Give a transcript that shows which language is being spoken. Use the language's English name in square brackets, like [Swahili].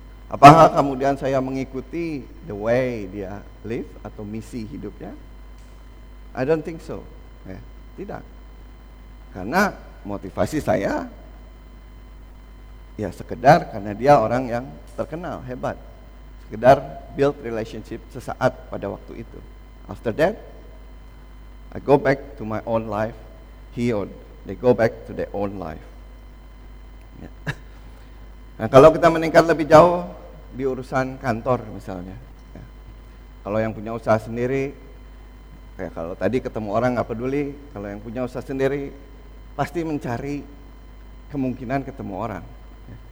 [Indonesian] Apakah kemudian saya mengikuti the way dia live atau misi hidupnya? [English] I don't think so. [Indonesian] Tidak. Karena motivasi saya ya sekedar karena dia orang yang terkenal, hebat. Sekedar build relationship sesaat pada waktu itu. [English] After that, I go back to my own life. They go back to their own life. [Indonesian] Nah, kalau kita meningkat lebih jauh di urusan kantor misalnya. Ya. Kalau yang punya usaha sendiri, ya kalau tadi ketemu orang nggak peduli, kalau yang punya usaha sendiri pasti mencari kemungkinan ketemu orang. Ya.